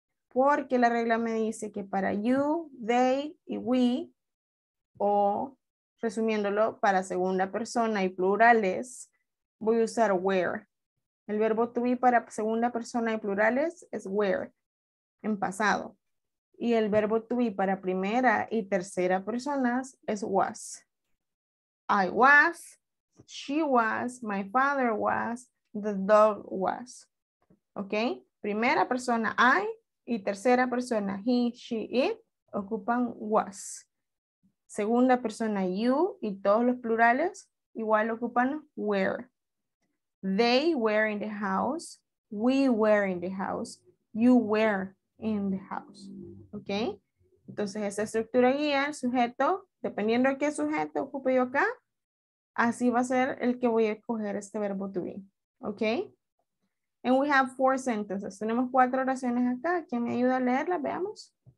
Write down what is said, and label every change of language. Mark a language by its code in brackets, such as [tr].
[es] Porque la regla me dice que para you, they y we, o resumiéndolo, para segunda persona y plurales, voy a usar were. El verbo to be para segunda persona y plurales es were, en pasado. Y el verbo to be para primera y tercera personas es was. [en] I was, she was, my father was, the dog was. [es] ¿Ok? Primera persona, I, y tercera persona, he, she, it, ocupan was. Segunda persona, you, y todos los plurales, igual ocupan were. [en] They were in the house, we were in the house, you were in the house. [es] ¿Ok? Entonces, esa estructura guía, el sujeto, dependiendo de qué sujeto ocupe yo acá, así va a ser el que voy a escoger este verbo to be. ¿Ok? [en] And we have four sentences. [es] Tenemos cuatro oraciones acá. ¿Quién me ayuda a leerlas? Veamos.